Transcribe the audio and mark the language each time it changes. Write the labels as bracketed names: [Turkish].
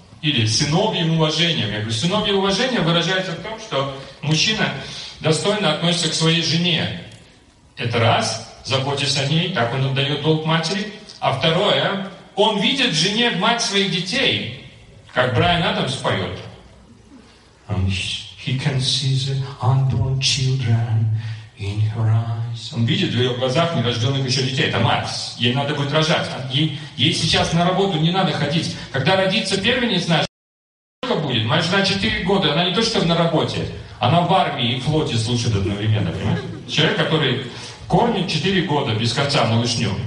[Russian] Или сыновьим уважением. Я говорю, сыновье уважение выражается в том, что мужчина достойно относится к своей жене. Это раз, заботясь о ней, так он отдает долг матери. А второе, он видит в жене мать своих детей, как Брайан Адамс поет. [English] He can see the unborn children in her eyes. [Russian] Он видит в ее глазах нерожденных еще детей. Это мать, ей надо будет рожать. Ей сейчас на работу не надо ходить. Когда родится первенец, знаешь, сколько будет? понимаешь, она 4 года, она не то что на работе, она в армии и флоте служит одновременно, понимаешь? Человек, который кормит 4 года без конца малышню.